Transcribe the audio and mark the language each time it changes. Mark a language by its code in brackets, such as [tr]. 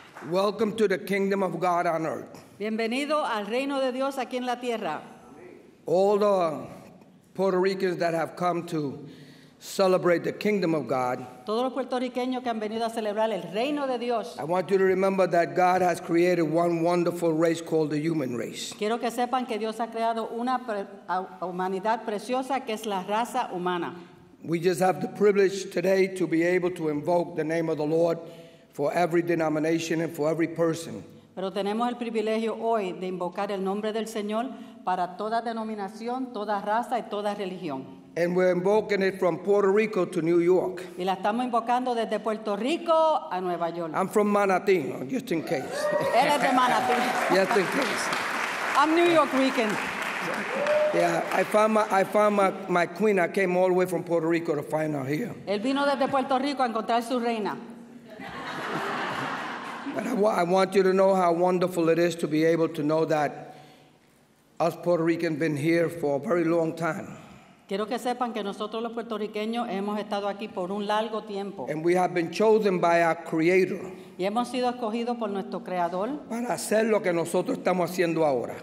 [en] Welcome to the kingdom of God on earth. [es] Bienvenido al reino de Dios aquí en la tierra. [en] All the Puerto Ricans that have come to celebrate the kingdom of God. [es] Todos los puertorriqueños que han venido a celebrar el reino de Dios. [en] I want you to remember that God has created one wonderful race called the human race. [es] Quiero que sepan que Dios ha creado una humanidad preciosa que es la raza humana. [en] We just have the privilege today to be able to invoke the name of the Lord for every denomination and for every person. [es] Pero tenemos el privilegio hoy de invocar el nombre del Señor para toda denominación, toda raza y toda religión. [en] And we're invoking it from Puerto Rico to New York. [es] Y la estamos invocando desde Puerto Rico a Nueva York. [en] I'm from Manhattan, just in case. [es] Él es de Manhattan. [en] Just in case. I'm New York Rican. Yeah, I found my queen. I came all the way from Puerto Rico to find her here. [es] Él vino desde Puerto Rico a encontrar su reina. [en] But I want you to know how wonderful it is to be able to know that us Puerto Ricans been here for a very long time. [es] Quiero que sepan que nosotros los puertorriqueños hemos estado aquí por un largo tiempo. [en] And we have been chosen by our creator. [es] Y hemos sido escogidos por nuestro creador. Para hacer lo que nosotros estamos haciendo ahora.